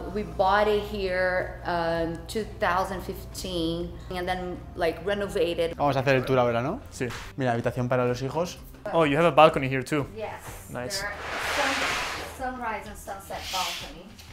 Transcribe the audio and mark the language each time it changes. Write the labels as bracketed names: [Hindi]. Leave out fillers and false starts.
[English] We bought it here in 2015 and then like renovated. [Spanish] Vamos a hacer el tour ahora, ¿no? Sí. Mira, habitación para los hijos. [English] Oh, you have a balcony here too. Yes. Nice. There are sunrise and sunset balcony.